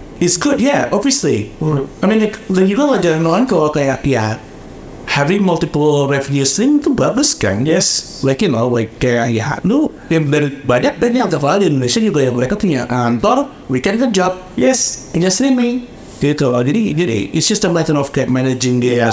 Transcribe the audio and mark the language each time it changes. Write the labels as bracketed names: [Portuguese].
[English] it's good, yeah, obviously. I mean, like you know, like, [Indonesian] kalau kayak ya [English] having multiple revenue stream [Indonesian] itu bagus kan? [English] Yes. Like you know, like [Indonesian] kayak ya, lu dari banyak band yang terkenal di Indonesia juga yang mereka punya kantor, weekend kan job. [English] Yes. [Indonesian] Hanya streaming. Gitu. [English] Jadi it's just a matter of kayak managing dia yeah.